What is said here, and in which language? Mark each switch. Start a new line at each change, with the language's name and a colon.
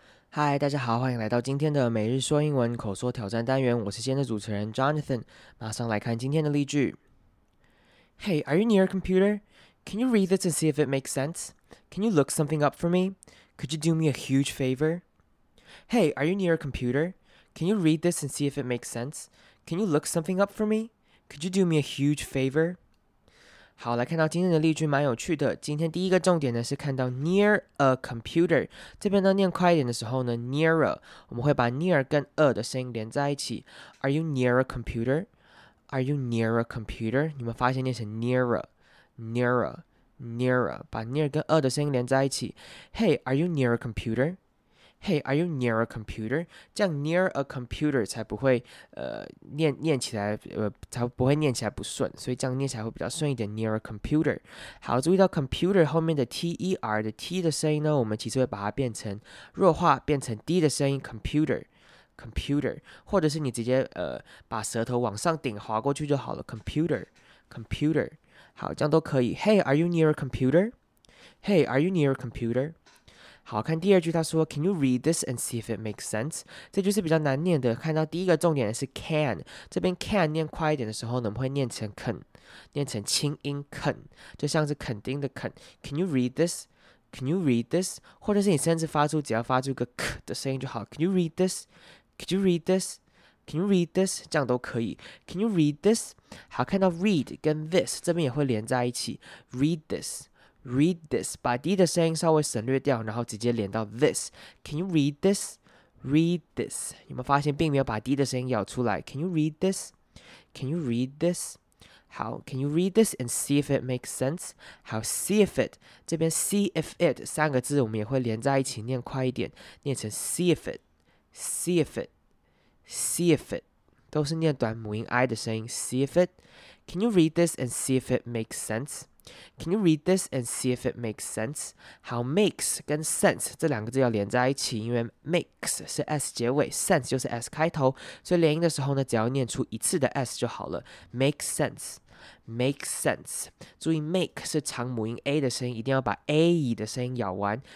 Chinese: 嗨，大家好，欢迎来到今天的每日说英文口说挑战单元。我是今天的主持人 Jonathan。马上来看今天的例句。
English: Hey, are you near a computer? Can you read this and see if it makes sense? Can you look something up for me? Could you do me a huge favor? Hey, are you near a computer? Can you read this and see if it makes sense? Can you look something up for me? Could you do me a huge favor?
Chinese: 好，来看到今天的例句，蛮有趣的。今天第一个重点呢，是看到 near a computer。这边呢，念快一点的时候呢 ，nearer， 我们会把 near 跟 a 的声音连在一起。
English: Are you near a computer? Are you near a computer?
Chinese: 你们发现念成 nearer, nearer, nearer， 把 near 跟 a 的声音连在一起。
English: Hey, are you near a computer? Hey, are you near a computer?
Chinese: 这样 near a computer 才不会念起来不顺，所以这样念起来会比较顺一点。 Near a computer，好，注意到 computer 后面的 ter 的 t 的声音呢，我们其实会把它变成弱化，变成 d 的声音 computer， 或者是你直接把舌头往上顶滑过去就好了 computer， 好，这样都可以。
English: Hey, are you near a computer? Hey, are you near a computer? 好，看第二句，他说 Can you read this and see if it makes sense?
Chinese: 这就是比较难念的。看到第一个重点是 can， 这边 can 念快一点的时候呢，我们会念成 can， 念成轻音 can， 就像是肯定的 can。
English: Can you read this? Can you read this?
Chinese: 或者是你甚至发出只要发出一个 k 的声音就好。
English: Can you read this? Can you read this? Can you read this? 这样都可以。 Can you read this?
Chinese: 好，看到 read 跟 this 这边也会连在一起。 Read thisRead this，把 d 的声音稍微省略掉，然后直接连到 this。 Can you read this? Read this，有没有发现并没有把 d 的声音咬出来 ？ Can you read this?
English: Can you read this? 好 ，Can you read this and see if it makes sense?
Chinese: 好 ， see if it，这边 see if it 三个字我们也会连在一起，念快一点，念成 see if it，see if it，see if it， 都是念短母音 i 的声音。
English: See if it， Can you read this and see if it makes sense? Can you read this and see if it makes sense?
Chinese: 好 ，makes 跟 sense 这两个字要连在一起，因为 makes 是 s 结尾 ，sense 就是 s 开头，所以连音的时候呢，只要念出一次的 s 就好了。
English: Make sense, make sense。
Chinese: 注意 ，make 是长母音 a 的声音，一定要把 a 的声音咬完。